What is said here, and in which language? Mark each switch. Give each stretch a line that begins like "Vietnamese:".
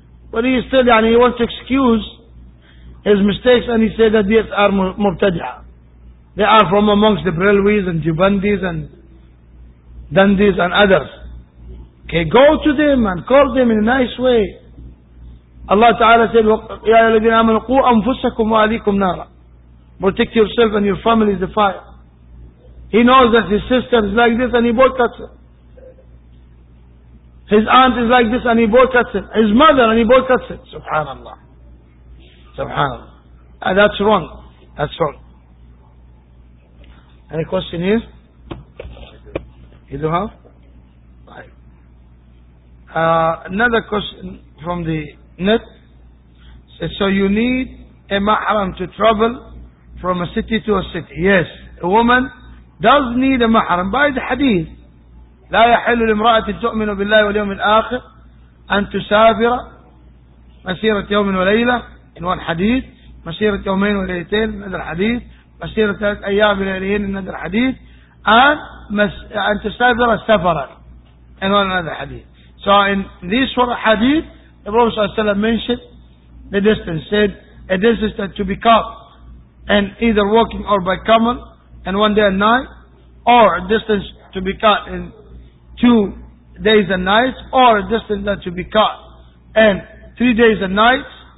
English: But he still, يعني, he wants to excuse his mistakes, and he says that these are mubtadi'a. They are from amongst the Brelwis and Jubandis and Dandis and others. Okay, go to them and call them in a nice way.
Arabic: Allah Ta'ala said, يَا الَّذِينَ آمَنُوا قُوْ أَنفُسَكُمْ وَأَهْلِيكُمْ نَارًا.
English: Protect yourself and your family is the fire. He knows that his sister is like this and he boycotts her. His aunt is like this and he boycotts her. His mother and he boycotts her. SubhanAllah. SubhanAllah. That's wrong. That's wrong. Any question here? You do have? Another question from the net. So you need a mahram to travel from a city to a city. Yes, a woman does need a mahram.
Arabic: By the hadith, لا يحل لامرأة تؤمن بالله واليوم الآخر أن تسافر مسيرة يوم وليلة.
English: In one hadith,
Arabic: مسيرة يومين وليلتين.
English: Another hadith,
Arabic: مسيرة ثلاث أيام وليلتين. Another hadith, أن تسافر سفرا.
English: In one another hadith. So in this one hadith, the Prophet ﷺ mentioned the distance. Said a distance that to be covered, and either walking or by camel, and one day and night, or a distance to be cut in 2 days and nights, or a distance that to be cut in 3 days and nights.